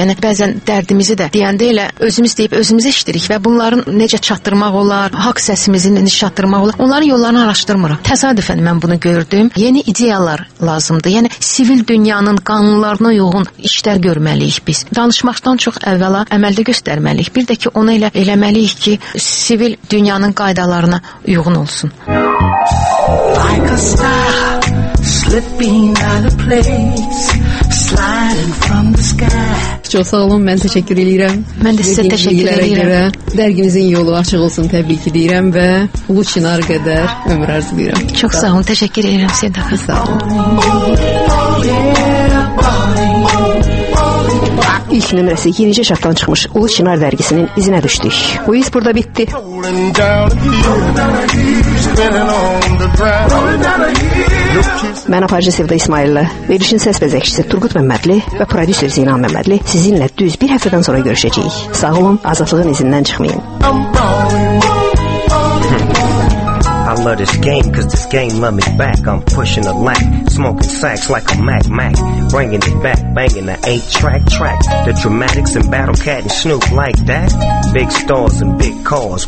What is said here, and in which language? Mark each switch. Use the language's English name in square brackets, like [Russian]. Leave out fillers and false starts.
[Azerbaijani] Yəni, bəzən dərdimizi də deyəndə elə özümüz deyib özümüz eşidirik və bunların necə çatdırmaq olar, haqq səsimizi necə çatdırmaq olar, onların yollarını araşdırmırıq. Təsadüfən mən bunu gördüm. Yeni ideyalar lazımdır. Yəni, sivil dünyanın qanunlarına uyğun işlər görməliyik biz. Danışmaqdan çox əvvəla əməldə göstərməliyik. Bir də ki, onu elə eləməliyik ki, sivil dünyanın qaydalarına uyğun olsun. [English] Like a star, slipping out of place. [Azerbaijani] Çox sağ olun, mən təşəkkür edirəm. Mən də sizə təşəkkür edirəm. Dərginizin yolu açıq olsun, təbrik edirəm və Ulu Çinar qədər ömür arzulayıram. Çox sağ olun, təşəkkür edirəm sizə də. Sağ olun. İlk nömrəsi yenicə çapdan çıxmış Ulu Çinar dərgisinin izinə düşdük. Bu iz burada bitdi. Mən aparıcı Sevda İsmaillı, verilişin səs bəzəkçisi Turqut Məmmədli və prodüser Zeynal Məmmədli sizinlə düz bir həftədən sonra görüşəcəyik. Sağ olun, azadlığın izindən çıxmayın. [English] I love this game, cause this game love me back. I'm pushing the lack, smoking sacks like a Mac. Bringing it back, banging the 8-track track. The dramatics and Battle Cat and Snoop like that. Big stars and big cars.